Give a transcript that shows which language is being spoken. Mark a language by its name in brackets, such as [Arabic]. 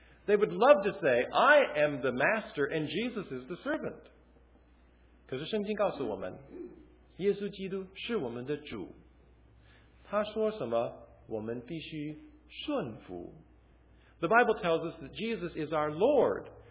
[English] They would love to say, I am the master and Jesus is the servant. [Chinese] 可是圣经告诉我们，耶稣基督是我们的主。他说什么，我们必须顺服。 [English] The Bible tells us that Jesus is our Lord.